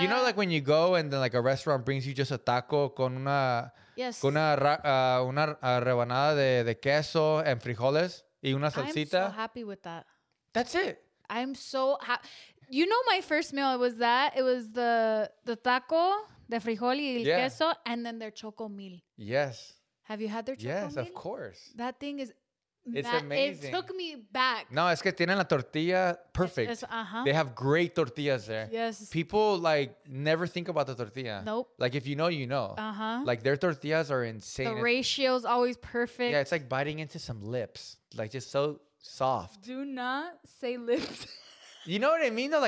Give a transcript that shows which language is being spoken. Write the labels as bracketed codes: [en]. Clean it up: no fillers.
[en] You know, like when you go and then like a restaurant brings you just a taco [es] con una con una rebanada de queso [en] and [es] frijoles y una salsita. [en] I'm so happy with that. That's it. I'm so happy. You know, my first meal, it was that. It was the taco, the [es] frijol y el queso, [en] and then their choco mil. Yes. Have you had their choco mil? Yes, of course. That thing is It's amazing. It took me back. [es] No, es que tienen la tortilla perfect. [en] They have great tortillas there. Yes. People like never think about the tortilla. Nope. Like if you know, you know. Uh-huh. Like their tortillas are insane. The ratio is always perfect. Yeah, it's like biting into some lips. Like just so soft. Do not say lips. You know what I mean though?